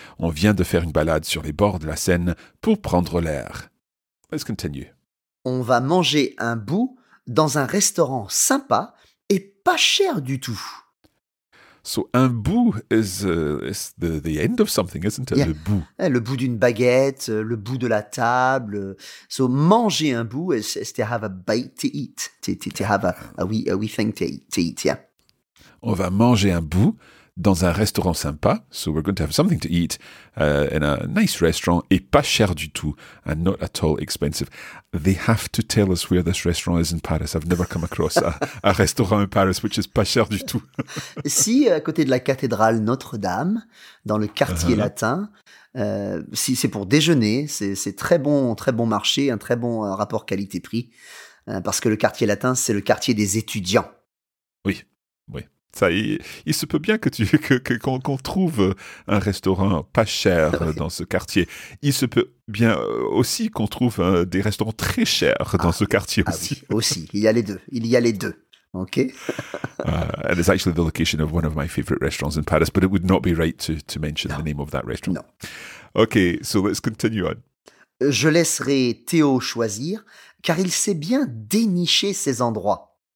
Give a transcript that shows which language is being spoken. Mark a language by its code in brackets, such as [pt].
[fr] On vient de faire une balade sur les bords de la Seine pour prendre l'air. [en] Let's continue. [fr] On va manger un bout dans un restaurant sympa et pas cher du tout. [en] So, un bout is the end of something, isn't it? Yeah. [fr] Le bout. Le bout d'une baguette, le bout de la table. [en] So, manger un bout is to have a bite to eat. To have a wee thing to eat, yeah. [fr] On va manger un bout dans un restaurant sympa. [en] So, we're going to have something to eat in a nice restaurant [fr] et pas cher du tout [en] and not at all expensive. They have to tell us where this restaurant is in Paris. I've never come across a restaurant in Paris which is [fr] pas cher du tout. Si, à côté de la cathédrale Notre-Dame, dans le quartier latin, si c'est pour déjeuner, c'est très bon marché, un très bon rapport qualité-prix parce que le quartier latin, c'est le quartier des étudiants. Oui, oui. Ça, il se peut bien qu'on trouve un restaurant pas cher dans ce quartier. Il se peut bien aussi qu'on trouve des restaurants très chers dans ce quartier aussi. Ah oui, aussi, il y a les deux. Il y a les deux. OK. [en] And it's actually the location of one of my favorite restaurants in Paris, but it would not be right to mention the name of that restaurant. [fr] Non. [en] OK, so let's continue on. [fr] Je laisserai Théo choisir, car il sait bien dénicher ces endroits.